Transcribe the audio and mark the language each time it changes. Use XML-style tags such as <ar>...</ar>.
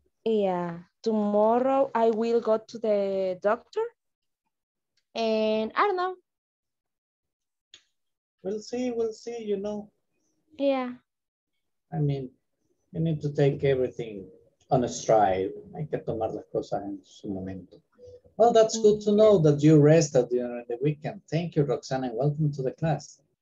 <en>Yeah, tomorrow I will go to the doctor and I don't know. We'll see, you know. Yeah. I mean, you need to take everything on a stride.</en> <es>Hay que tomar las cosas en su momento.</es> <en>Well, that's good to know that you rest at the weekend. Thank you, Roxana, and welcome to the class.</en>